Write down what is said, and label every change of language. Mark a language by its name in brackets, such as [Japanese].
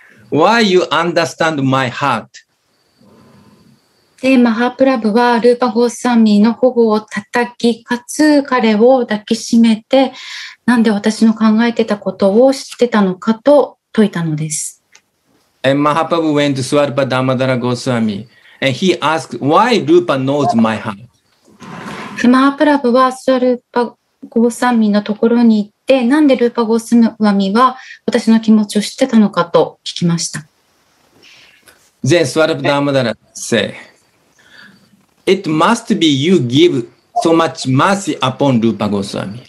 [English] Why you understand my heart? [Japanese] で、マハプラブはルーパゴスワミの頬を叩き、かつ彼を抱きしめて、なんで私の考えてたことを知ってたのかと説いたのです。 [English] And Mahaprabhu went to Swarupa Damodara Goswami, and he asked, why Rupa knows my heart? [Japanese] で、マハプラブはスワルパゴスワミのところに行って、なんでルーパゴスワミは私の気持ちを知ってたのかと聞きました。 [English] Then Swarupa Damodara said,It must be you give so much mercy upon Rupa Goswami.